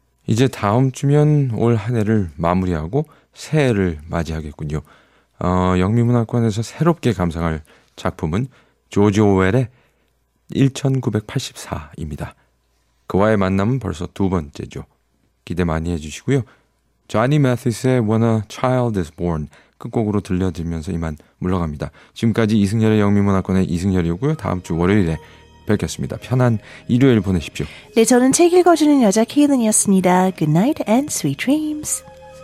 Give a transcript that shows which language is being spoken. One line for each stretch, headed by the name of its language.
Korean: 이제 다음 주면 올 한 해를 마무리하고 새해를 맞이하겠군요. 영미문학관에서 새롭게 감상할 작품은 조지 오웰의 1984입니다. 그와의 만남은 벌써 두 번째죠. 기대 많이 해주시고요. Johnny Mathis의 When a Child is Born 끝곡으로 들려드리면서 이만 물러갑니다. 지금까지 이승열의 영미문학관의 이승열이었고요. 다음 주 월요일에 뵙겠습니다. 편한 일요일 보내십시오. 네, 저는 책 읽어주는 여자 케이든이었습니다.
English: Good night and sweet dreams.